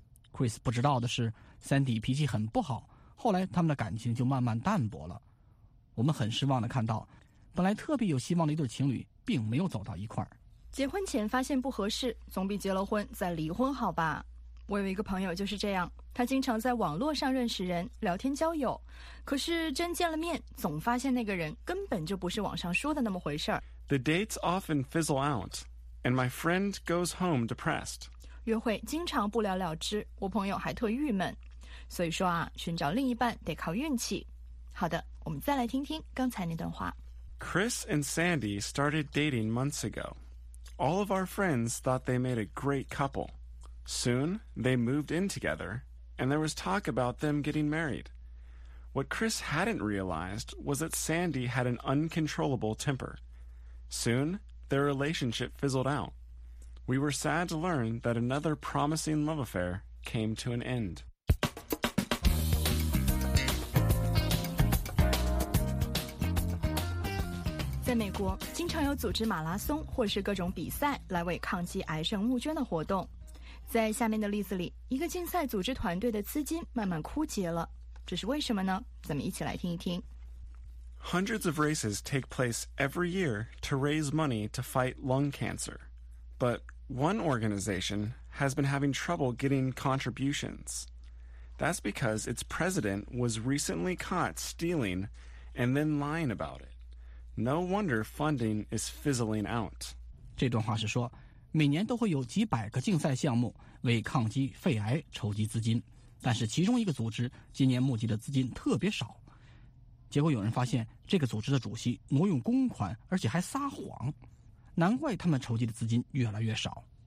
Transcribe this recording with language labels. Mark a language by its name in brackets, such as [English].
[Chinese] Chris 不知道的是 ,Sandy 脾气很不好，后来他们的感情就慢慢淡薄了。我们很失望地看到本来特别有希望的一对情侣并没有走到一块儿。结婚前发现不合适，总比结了婚再离婚好吧？我有一个朋友就是这样，他经常在网络上认识人，聊天交友，可是真见了面，总发现那个人根本就不是网上说的那么回事儿。 [English] The dates often fizzle out, and my friend goes home depressed. [Chinese] 约会经常不了了之，我朋友还特郁闷。所以说啊，寻找另一半得靠运气。好的，我们再来听听刚才那段话。 [English] Chris and Sandy started dating months ago. All of our friends thought they made a great couple. Soon, they moved in together, and there was talk about them getting married. What Chris hadn't realized was that Sandy had an uncontrollable temper. Soon, their relationship fizzled out. We were sad to learn that another promising love affair came to an end. [Chinese] In 美国，经常有组织马拉松或是各种比赛来为抗击癌症募捐的活动。在下面的例子里，一个竞赛组织团队的资金慢慢枯竭了，这是为什么呢？咱们一起来听一听。 [English] Hundreds of races take place every year to raise money to fight lung cancer. But one organization has been having trouble getting contributions. That's because its president was recently caught stealing and then lying about it. No wonder funding is fizzling out. [Chinese] 这段话是说，每年都会有几百个竞赛项目为抗击肺癌筹集资金，但是其中一个组织今年募集的资金特别少。结果有人发现这个组织的主席挪用公款，而且还撒谎，难怪他们筹集的资金越来越少。